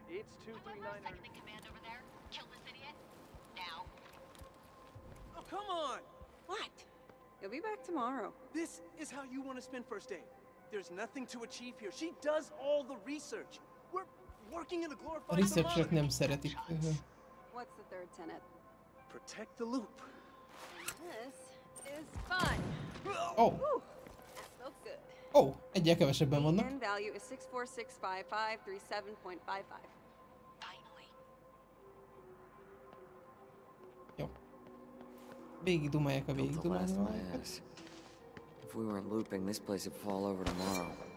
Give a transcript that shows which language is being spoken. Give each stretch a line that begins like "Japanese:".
English: It's 239. Second in command over there. Kill this idiot. Now. Oh, come on! What? You'll be back tomorrow. This is how you want to spend first date. There's nothing to achieve here. She does all the research. We're working in a glorified lab.
Hungarian: Researchok nem szeretik.
English: What's the third tenet? Protect the loop. This is fun. Oh. That felt good.
Hungarian: Oh, egyel kevesebben vannak.
English: The end value is 6465537.55. Finally.
Hungarian: Jó. Végigdumálják a végigdumálják.
English: If we weren't looping, this place would fall over tomorrow.